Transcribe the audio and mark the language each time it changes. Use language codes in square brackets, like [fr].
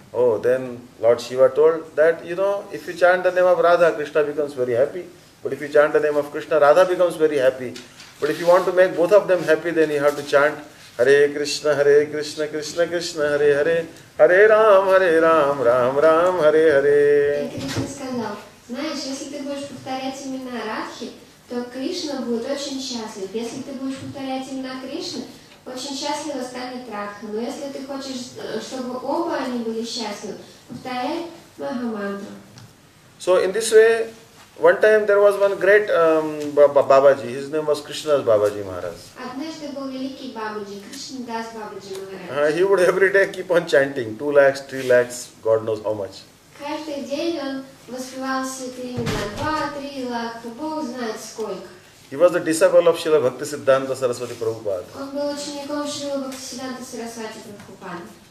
[en] Oh, then Lord Shiva told that, you know, if you chant the name of Radha, Krishna becomes very happy. But if you chant the name of Krishna, Radha becomes very happy. But if you want to make both of them happy, then you have to chant Hare Krishna, Hare Krishna, Krishna Krishna, Hare Hare, Hare Ram, Hare Ram, Ram Ram, Hare Hare. [ru] Знаешь, если ты будешь повторять имена Радхи, то Кришна будет очень счастлив. Если ты будешь повторять имена Кришны, очень счастливо станет Радха. Но если ты хочешь, чтобы оба они были счастливы, повторяй Махамантру. [en] So in this way, one time there was one great Babaji. His name was Krishnadas Babaji Maharaj. He would every day keep on chanting 2 lakhs, 3 lakhs, God knows how much. He was the disciple of Srila Bhaktisiddhanta Saraswati Prabhupada.